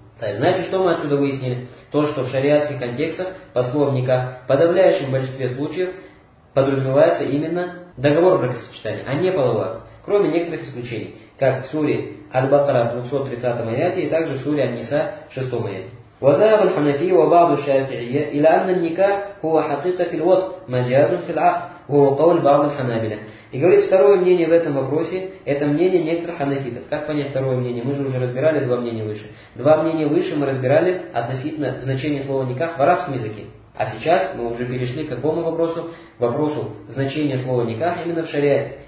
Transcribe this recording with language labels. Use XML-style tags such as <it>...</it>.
<ru>Так, значит, что мы отсюда выяснили? То, что в шариатских контекстах по словам никах в подавляющем большинстве случаев подразумевается именно договор бракосочетания, а не половой акт. Кроме некоторых исключений, как в суре Аль-Бакара 230 аяте и также в суре Ан-Ниса 6 аяте.</ru> <ar>وذهب الحنفي وبعض الشافعية إلى أن النكاح هو حقيقة في الوطء مجاز في العقد هو قول بعض الحنابلة.</ar> <ru>И говорит, второе мнение в этом вопросе — это мнение некоторых ханафитов. Как понять второе мнение? Мы же уже разбирали два мнения выше. Два мнения выше мы разбирали относительно значения слова никах в арабском языке. А сейчас мы уже перешли к какому вопросу? К вопросу значения слова никах именно в шариате.</ru>